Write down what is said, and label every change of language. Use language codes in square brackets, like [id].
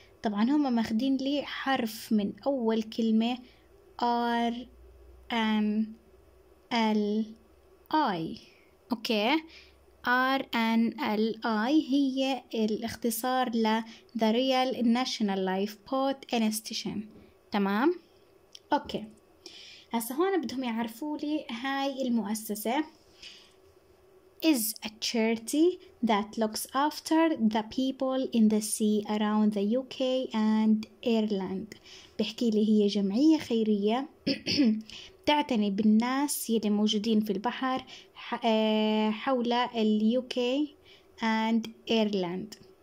[ar] طبعا هما ماخدين لي حرف من أول كلمة R N L I. أوكي. R N L I هي الاختصار ل The Royal National Lifeboat Institution. تمام؟ أوكي. هسا هون بدهم يعرفوا لي هاي المؤسسة. [en] Is a charity that looks after the people in the sea around the UK and Ireland. [ar] بحكي لي هي جمعية خيرية تعتني بالناس يلي موجودين في البحر حول الـ UK and Ireland.